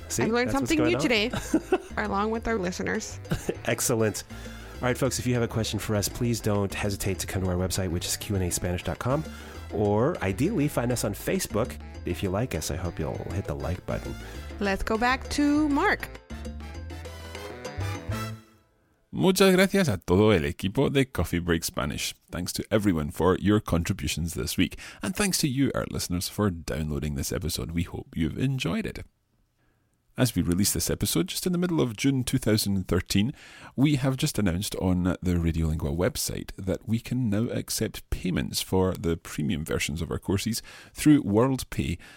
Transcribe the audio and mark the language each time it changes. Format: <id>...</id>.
<en>See, I learned something new today, along with our listeners. Excellent. All right, folks, if you have a question for us, please don't hesitate to come to our website, which is qnaspanish.com. Or ideally, find us on Facebook. If you like us, I hope you'll hit the like button. Let's go back to Mark.</en> <es>Muchas gracias a todo el equipo de Coffee Break Spanish.</es> <en>Thanks to everyone for your contributions this week. And thanks to you, our listeners, for downloading this episode. We hope you've enjoyed it. As we release this episode, just in the middle of June 2013, we have just announced on the Radiolingua website that we can now accept payments for the premium versions of our courses through WorldPay.</en>